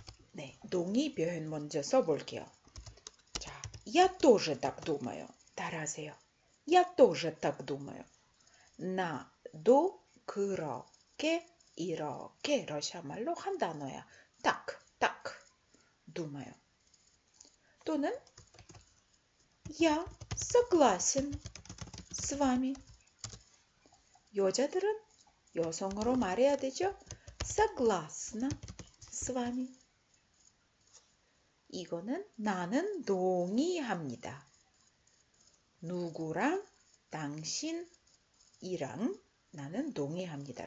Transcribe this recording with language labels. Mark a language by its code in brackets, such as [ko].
[ko] 네, 동의 표현 먼저 써볼게요. 자, [ru] я тоже так думаю. [ko] 따라하세요. [ru] Я тоже так думаю. [ko] 나도 그렇게 이렇게 러시아 말로 한 단어야. 딱, 딱, думаю. 또는 [ru] Я согласен с вами. [ko] 여자들은 여성으로 말해야 되죠. [ru] Согласна с вами. [ko] 이거는 나는 동의합니다. 누구랑 당신이랑 나는 동의합니다.